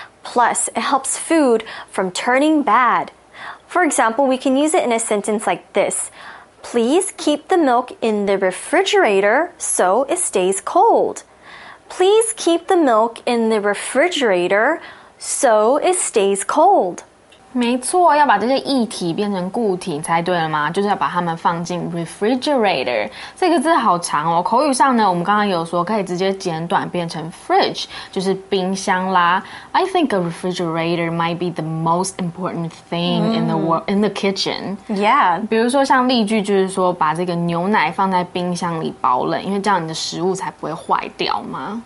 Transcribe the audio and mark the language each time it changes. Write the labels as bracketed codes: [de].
[en] Plus, it helps food from turning bad. For example, we can use it in a sentence like this. Please keep the milk in the refrigerator so it stays cold. Please keep the milk in the refrigerator so it stays cold. [zh] 没错，要把这些液体变成固体才对了吗？就是要把它们放进 refrigerator。这个字好长哦。口语上呢，我们刚刚有说可以直接简短变成 fridge， 就是冰箱啦。 [en] I think a refrigerator might be the most important thing in the world, in the kitchen. Yeah. [zh] 比如说像例句就是说把这个牛奶放在冰箱里保冷，因为这样你的食物才不会坏掉吗？